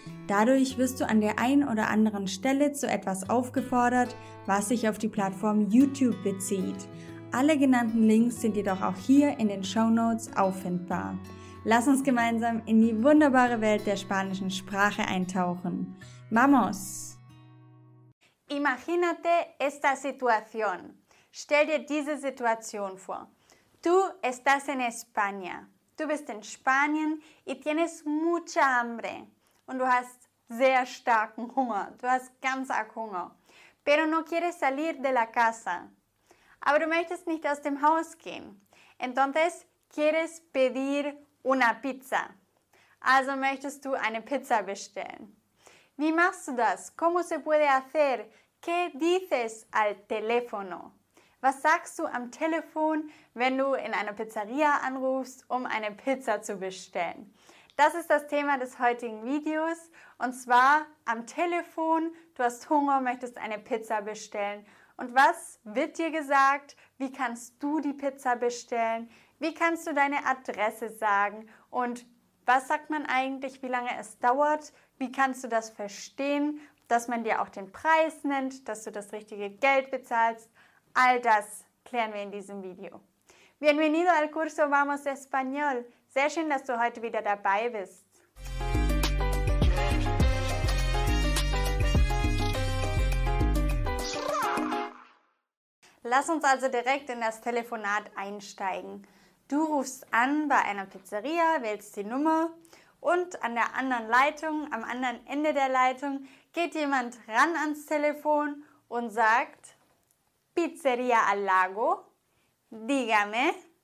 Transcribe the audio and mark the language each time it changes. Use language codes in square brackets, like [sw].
[de] Dadurch wirst du an der einen oder anderen Stelle zu etwas aufgefordert, was sich auf die Plattform YouTube bezieht. Alle genannten Links sind jedoch auch hier in den Shownotes auffindbar. Lass uns gemeinsam in die wunderbare Welt der spanischen Sprache eintauchen. [es] ¡Vamos! Imagínate esta situación. [de] Stell dir diese Situation vor. [es] Tú estás en España. [de] Du bist in Spanien [es] y tienes mucha hambre. [de] Und du hast sehr starken Hunger. Du hast ganz arg Hunger. [es] Pero no quieres salir de la casa. [de] Aber du möchtest nicht aus dem Haus gehen. [es] Entonces, quieres pedir una pizza. [de] Also möchtest du eine Pizza bestellen. Wie machst du das? [es] ¿Cómo se puede hacer? ¿Qué dices al teléfono? [de] Was sagst du am Telefon, wenn du in einer Pizzeria anrufst, um eine Pizza zu bestellen? Das ist das Thema des heutigen Videos. Und zwar am Telefon. Du hast Hunger, möchtest eine Pizza bestellen. Und was wird dir gesagt? Wie kannst du die Pizza bestellen? Wie kannst du deine Adresse sagen? Und was sagt man eigentlich, wie lange es dauert? Wie kannst du das verstehen, dass man dir auch den Preis nennt, dass du das richtige Geld bezahlst? All das klären wir in diesem Video. [es] Bienvenido al curso Vamos Español. [de] Sehr schön, dass du heute wieder dabei bist. Lass uns also direkt in das Telefonat einsteigen. Du rufst an bei einer Pizzeria, wählst die Nummer und an der anderen Leitung, am anderen Ende der Leitung, geht jemand ran ans Telefon und sagt: [es] Pizzeria al Lago, dígame.